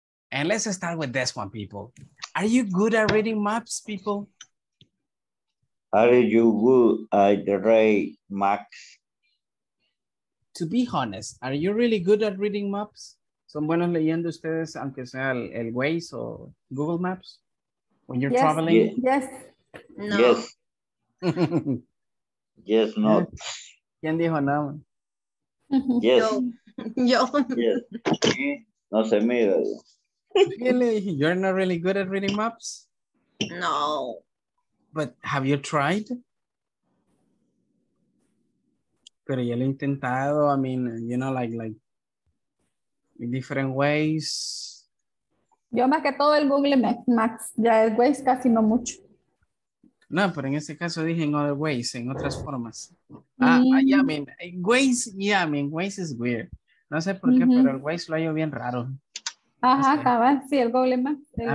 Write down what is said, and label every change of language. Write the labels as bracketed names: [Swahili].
[English] And let's start with this one, people. Are you good at reading maps, people? Are you good at reading maps? To be honest, are you really good at reading maps? [Spanish] ¿Son buenos leyendo ustedes, aunque sea el Waze o Google Maps? [English] When you're traveling? Yes. No. Yes. Yes, no. [Spanish] ¿Quién dijo no? [English] Yes. [Spanish] Yo. Yes. No se mira. [English] Really? You're not really good at reading maps? No. But have you tried? [Spanish] Pero ya lo he intentado. [English] I mean, you know, like in different ways. [Spanish] Yo más que todo el Google Maps. Ya el Waze casi no mucho. No, pero en este caso dije en [English] other ways, [Spanish] en otras formas. [English] Mm-hmm. Ways is weird. [Spanish] No sé por qué, [English] mm-hmm. [Spanish] pero el ways lo hallo bien raro. Ajá, cabal, sí, el Google Maps.